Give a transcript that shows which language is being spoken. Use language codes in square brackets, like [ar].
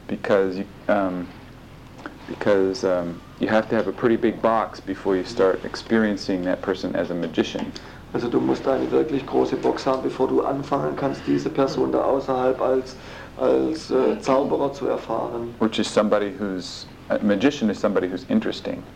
[en] Because you have to have a pretty big box before you start experiencing that person as a magician. [de] Also du musst eine wirklich große Box haben, bevor du anfangen kannst, diese Person da außerhalb als Zauberer zu erfahren. [en] Which is somebody who's a magician is somebody who's interesting.